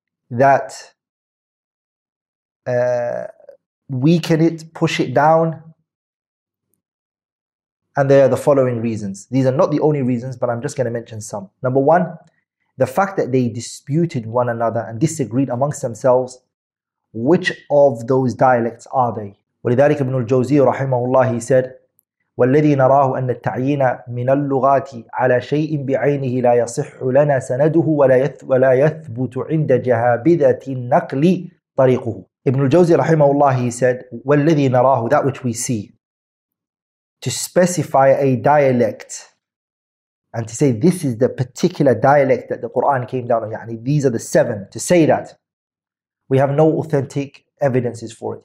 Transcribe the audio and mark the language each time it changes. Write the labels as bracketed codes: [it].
[en] That weaken it, push it down, and there are the following reasons. These are not the only reasons, but I'm just going to mention some. Number one, the fact that they disputed one another and disagreed amongst themselves. Which of those dialects are they? [ar] ولذلك ابن الجوزي رحمه الله [en] said, [ar] والذي نراه أن التعيين من اللغات على شيء بعينه لا يصح لنا سنده ولا يثبت عند جهابذة النقل طريقه. [en] ابن الجوزي رحمه الله said, [ar] والذي نراه, [en] that which we see, to specify a dialect and to say this is the particular dialect that the Quran came down on, يعني these are the seven, to say that we have no authentic evidences for it.